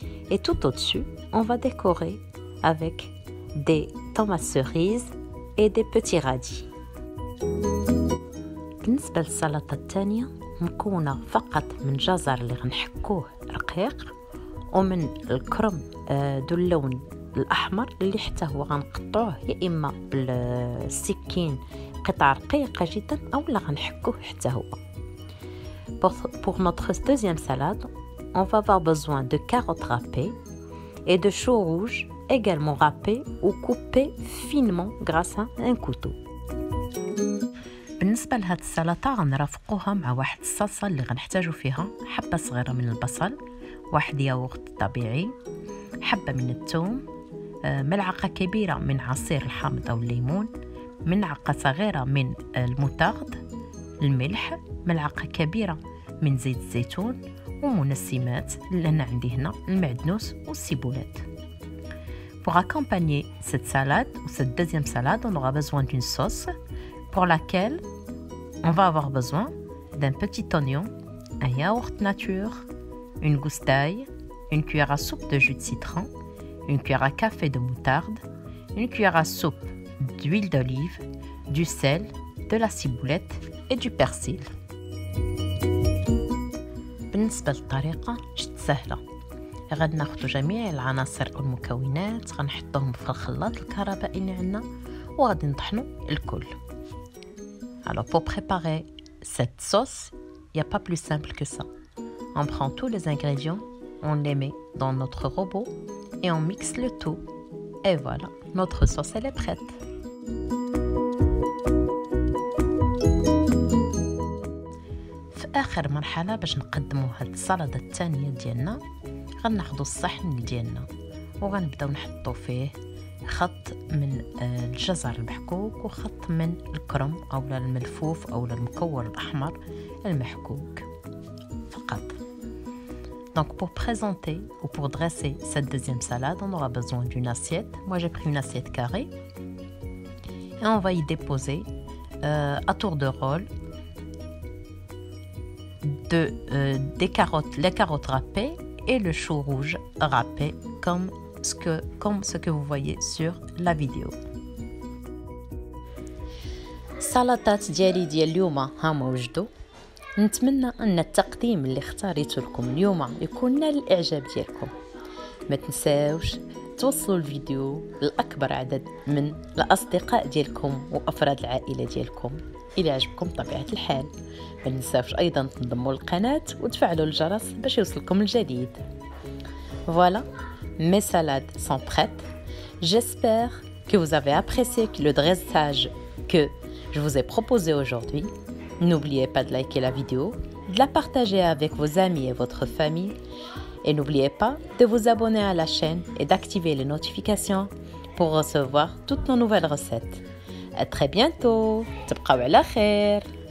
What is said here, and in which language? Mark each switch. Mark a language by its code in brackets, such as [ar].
[fr] Et tout au-dessus, on va décorer avec des tomates cerises et des petits radis. [ar] بالنسبة للسلطة الثانية مكونة فقط من جزر اللي غنحكوه رقيق، ومن الكرم ذو اللون الأحمر اللي حتى هو غنقطعوه يا إما بالسكين قطع رقيقة جدا أو لا غنحكوه حتى هو. [fr] Pour notre deuxième salade, on va avoir besoin de carottes râpées et de choux rouges également râpés ou coupés finement grâce à un couteau. [ar] بالنسبة لهاد السلطة غنرافقوها مع واحد الصلصة اللي غنحتاجو فيها حبة صغيرة من البصل، واحد ياوغت طبيعي، حبة من الثوم، ملعقة كبيرة من عصير الحامض أو الليمون، ملعقة صغيرة من المتاخد، الملح، ملعقة كبيرة من زيت الزيتون، ومنسمات اللي أنا عندي هنا المعدنوس والسيبولات. [fr] Pour accompagner cette salade ou cette deuxième salade, on aura besoin d'une sauce pour laquelle on va avoir besoin d'un petit oignon, un yaourt nature, une gousse d'ail, une cuillère à soupe de jus de citron, une cuillère à café de moutarde, une cuillère à soupe d'huile d'olive, du sel, de la ciboulette et du persil. [ar] بالنسبة للطريقة جد سهلة، غاد ناخدو جميع العناصر والمكونات، غنحطوهم في الخلاط الكهربائي اللي عندنا وغادي نطحنو الكل. [fr] Alors pour préparer cette sauce, il y a pas plus simple que ça. On prend tous les ingrédients, on les met dans notre robot et on mixe le tout. Et voilà, notre sauce elle est prête. [ar] آخر مرحلة باش نقدمو هاد السلطة الثانية ديالنا، غناخدو الصحن ديالنا وغنبداو نحطو فيه خط من الجزر المحكوك وخط من الكرم أو الملفوف أو المكور الأحمر المحكوك فقط. [fr] Donc pour présenter ou pour dresser cette deuxième salade, on aura besoin d'une assiette. Moi j'ai pris une assiette carrée et on va y déposer à tour de rôle des carottes, les carottes râpées et le chou rouge râpé comme ce que vous voyez sur la vidéo. [ar] Salatat ديالي ديال اليوم ها موجودو. نتمنى ان التقديم اللي اختاريته لكم اليوم يكون نال الاعجاب ديالكم. ما تنساوش توصلوا الفيديو لاكبر عدد من الاصدقاء ديالكم وافراد العائله ديالكم إلي عجبكم طبيعة الحال. ما ننساوش أيضا تنضموا القناة وتفعلوا الجرس باش يوصلكم الجديد. [fr] Voilà, mes salades sont prêtes. J'espère que vous avez apprécié le dressage que je vous ai proposé aujourd'hui. N'oubliez pas de liker la vidéo, de la partager avec vos amis et votre famille. Et n'oubliez pas de vous abonner à la chaîne et d'activer les notifications pour recevoir toutes nos nouvelles recettes. À très bientôt. [ar] تبقوا على خير.